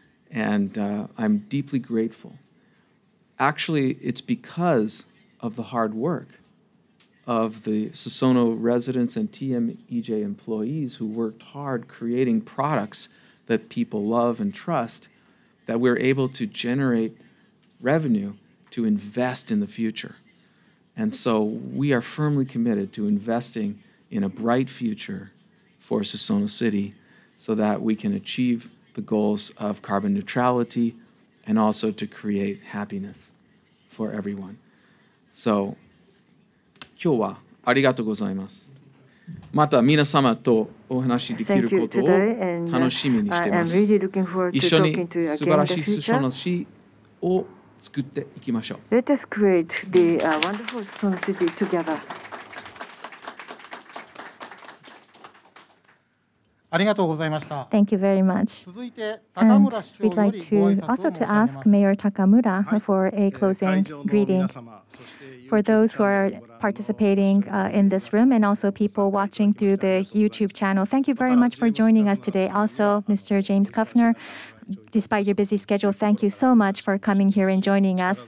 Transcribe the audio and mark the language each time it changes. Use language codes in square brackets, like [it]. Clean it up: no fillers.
[en] And I'm deeply grateful. Actually, it's because of the hard work of the Susono residents and TMEJ employees who worked hard creating products that people love and trust that we're able to generate revenue to invest in the future. And so we are firmly committed to investing in a bright future for Susono City so that we can achieve the goals of carbon neutrality and also to create happiness for everyone. [ja] So, 今日はありがとうございます。また皆様とお話しできることを楽しみにしています。一緒に素晴らしいスソノ市を作っていきましょう。 [en] Let us create the wonderful Susono City together. [ja] ありがとうございました。 [en] Thank you very much. [ja] 続いて高村市長よりご挨拶を申し上げます。 [en] And we'd like to also to ask Mayor Takamura for a closing greeting. For those who are participating in this room and also people watching through the YouTube channel, thank you very much for joining us today. Also, Mr. James Kuffner, despite your busy schedule, thank you so much for coming here and joining us.